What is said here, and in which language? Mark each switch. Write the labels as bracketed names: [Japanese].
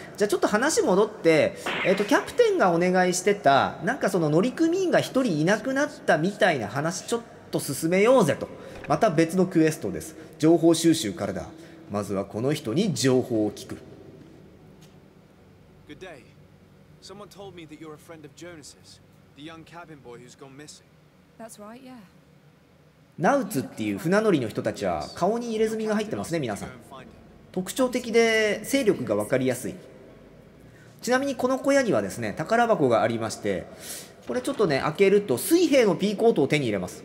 [Japanese] じゃあちょっと話戻って、キャプテンがお願いしてたなんかその乗組員が一人いなくなったみたいな話ちょっと進めようぜと。また別のクエストです。情報収集からだ。まずはこの人に情報を聞く。 [English] Good day. Someone told me that you're a friend of Jonas's, the young cabin boy who's gone missing. That's right, yeah. [Japanese] ナウツっていう船乗りの人たちは顔に入れ墨が入ってますね。皆さん特徴的で勢力が分かりやすい。ちなみにこの小屋にはですね宝箱がありまして、これちょっとね開けると水兵のピーコートを手に入れます。